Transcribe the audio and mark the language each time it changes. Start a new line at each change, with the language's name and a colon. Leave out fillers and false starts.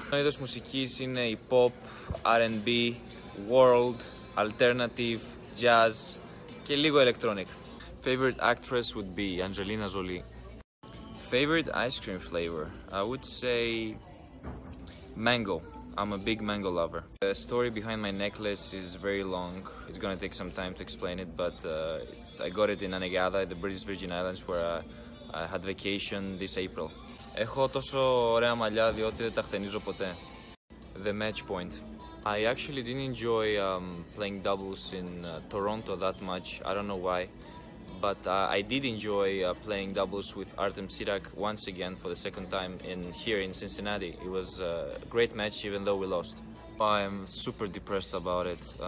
Greek: Ο είδος μουσικής είναι η pop, R&B, world, alternative, jazz και λίγο electronic.
English: Favorite actress would be Angelina Jolie. Favorite ice cream flavor? I would say mango. I'm a big mango lover. The story behind my necklace is very long. It's gonna take some time to explain it, but I got it in Anegada, the British Virgin Islands, where I had vacation this April.
Greek: Έχω τόσο ωραία μαλλιά διότι δεν τα χτενίζω ποτέ.
English: The match point. I actually didn't enjoy playing doubles in Toronto that much. I don't know why. But I did enjoy playing doubles with Artem Sirak once again for the second time in here in Cincinnati. It was a great match even though we lost. I'm super depressed about it.